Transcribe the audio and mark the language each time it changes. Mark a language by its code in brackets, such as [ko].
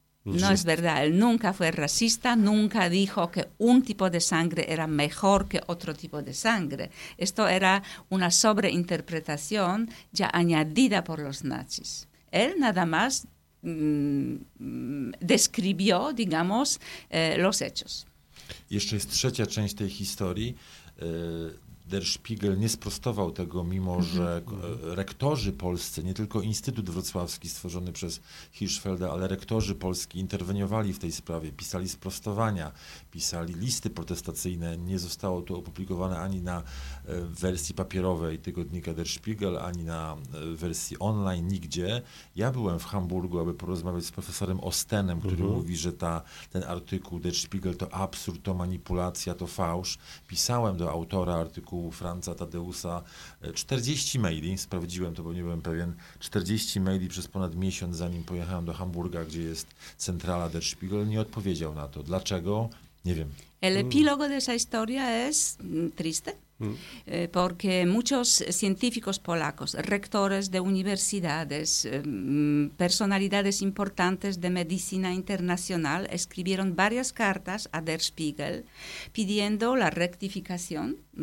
[es] No es verdad, él nunca fue racista, nunca dijo que un tipo de sangre era mejor que otro tipo de sangre. Esto era una sobreinterpretación ya añadida por los nazis. Él nada más describió, digamos, los hechos. [pl] Jeszcze jest trzecia część tej historii. Der Spiegel nie sprostował tego, mimo że rektorzy polscy, nie tylko Instytut Wrocławski stworzony przez Hirschfelda, ale rektorzy polscy interweniowali w tej sprawie, pisali sprostowania, pisali listy protestacyjne. Nie zostało to opublikowane ani na wersji papierowej tygodnika Der Spiegel, ani na wersji online, nigdzie. Ja byłem w Hamburgu, aby porozmawiać z profesorem Ostenem, który mówi, że ten artykuł Der Spiegel to absurd, to manipulacja, to fałsz. Pisałem do autora artykułu, wokół Franca Tadeusa. 40 maili, sprawdziłem to, bo nie byłem pewien, 40 maili przez ponad miesiąc, zanim pojechałem do Hamburga, gdzie jest centrala Der Spiegel, nie odpowiedział na to. Dlaczego? Nie wiem. [es] El epílogo de esa historia es triste, porque muchos científicos polacos, rectores de universidades, personalidades importantes de medicina internacional, escribieron varias cartas a Der Spiegel pidiendo la rectificación.